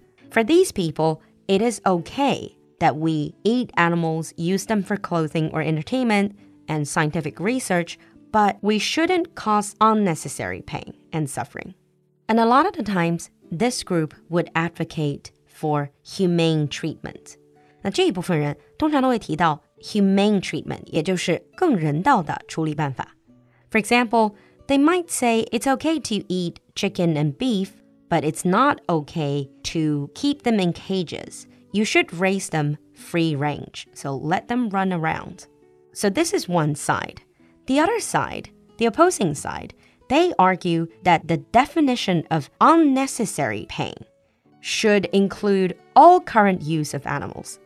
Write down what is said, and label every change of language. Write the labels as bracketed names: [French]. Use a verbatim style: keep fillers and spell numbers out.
[English] For these people,It is okay that we eat animals, use them for clothing or entertainment and scientific research, but we shouldn't cause unnecessary pain and suffering. And a lot of the times, This group would advocate for humane treatment. [Chinese] 那这一部分人通常都会提到 [English] humane treatment, [Chinese] 也就是更人道的处理办法。 [English] For example, they might say it's okay to eat chicken and beef, but it's not okay to keep them in cages. You should raise them free range, so let them run around. So this is one side. The other side, the opposing side, they argue that the definition of unnecessary pain should include all current use of animals.